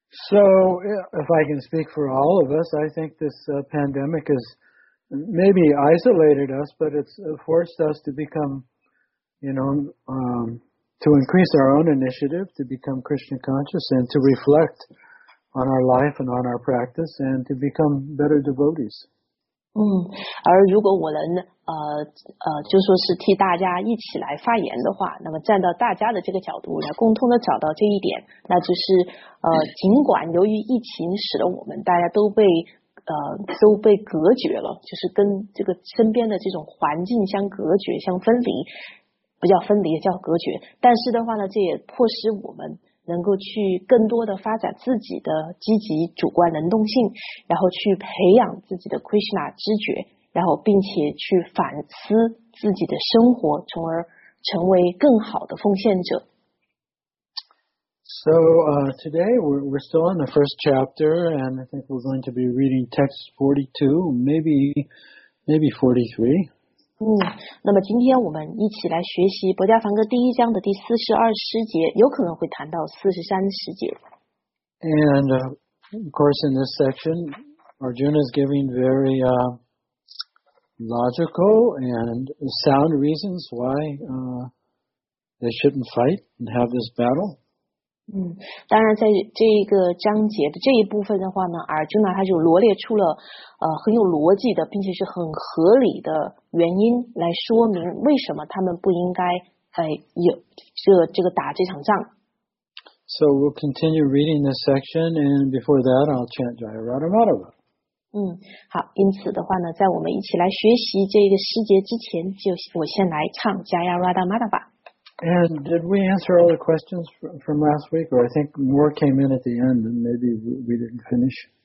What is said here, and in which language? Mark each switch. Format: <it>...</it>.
<en>So, if I can speak for all of us, I think this pandemic is. Maybe isolated us, but it's forced us to become, you know, to increase our own initiative, to become Krishna conscious, and to reflect on our life and on our practice, and to become better devotees.</en> <zh>而如果我能就说是替大家一起来发言的话，那么站到大家的这个角度来共同的找到这一点，那就是尽管由于疫情使得我们大家都被隔绝了，就是跟这个身边的这种环境相隔绝，相分离，不叫分离，叫隔绝。但是的话呢，这也迫使我们能够去更多的发展自己的积极主观能动性，然后去培养自己的 Krishna 知觉，然后并且去反思自己的生活，从而成为更好的奉献者。</zh> <en>So today we're still in the first chapter, and I think we're going to be reading text 42, maybe 43.</en> <zh>那么今天我们一起来学习《博加梵歌》第一章的第42诗节，有可能会谈到43诗节。</zh> <en>And of course, in this section, Arjuna is giving very logical and sound reasons why they shouldn't fight and have this battle.</en> <zh>当然在这个章节的这一部分的话呢，阿尔朱纳他就罗列出了很有逻辑的并且是很合理的原因来说明为什么他们不应该这个打这场仗。</zh> <en>So we'll continue reading this section and before that I'll chant Jaya Radha Madhava.</en> <zh>好，因此的话呢，在我们一起来学习这个诗节之前，就我先来唱 Jaya Radha Madhava。</zh> <en>And did we answer all the questions from last week? Or I think more came in at the end and maybe we didn't finish.</en>